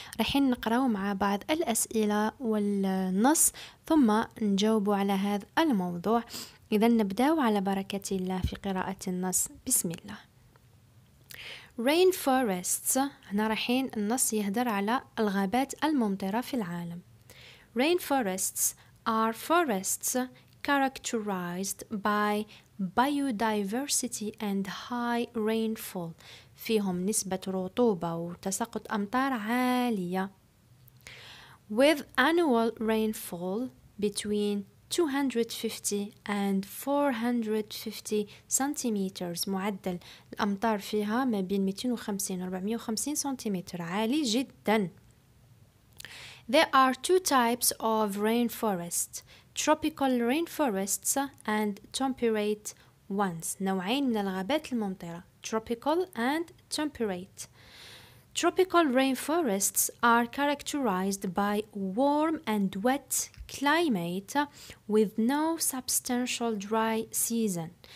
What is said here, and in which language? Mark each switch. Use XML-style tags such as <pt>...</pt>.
<ar>راح نقرأ مع بعض الأسئلة والنص ثم نجاوب على هذا الموضوع. إذا نبدأ على بركة الله في قراءة النص. بسم الله. Rainforests. هنا رايحين النص يهدر على الغابات الممطرة في العالم.</ar> <en>Rainforests are forests characterized by biodiversity and high rainfall.</en> <ar>فيهم نسبة رطوبة وتساقط أمطار عالية.</ar> <en>With annual rainfall between 250 and 450 centimeters.</en> <ar>معدل الأمطار فيها ما بين 250 و450 سنتيمتر، عالي جدا.</ar> <en>There are two types of rainforest: tropical rainforests and temperate ones.</en> <ar>نوعين من الغابات الممطرة:</ar> <en>tropical and temperate. Tropical rainforests are characterized by warm and wet climate with no substantial dry season.</en>